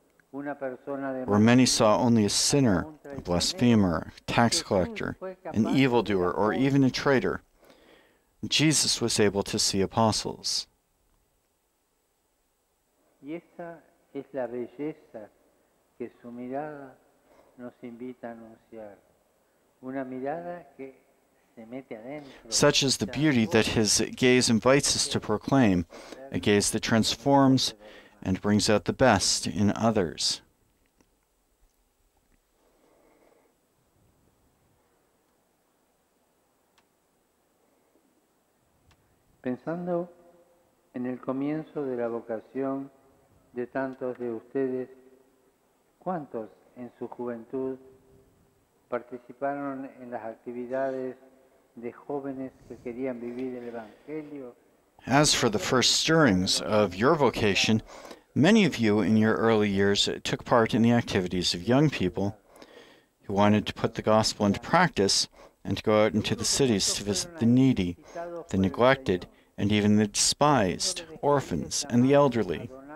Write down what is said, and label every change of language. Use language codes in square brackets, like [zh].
[en] Where many saw only a sinner, a blasphemer, a tax collector, an evildoer, or even a traitor, Jesus was able to see apostles. [es] Y esa es la belleza que su mirada nos invita a anunciar. Una mirada que se mete adentro. [en] Such is the beauty that his gaze invites us to proclaim, a gaze that transforms and brings out the best in others. [es] Pensando en el comienzo de la vocación de tantos de ustedes, ¿cuántos en su juventud participaron en las actividades de jóvenes que querían vivir el Evangelio? [en] As for the first stirrings of your vocation, many of you in your early years took part in the activities of young people who wanted to put the gospel into practice and to go out into the cities to visit the needy, the neglected, and even the despised, orphans, and the elderly.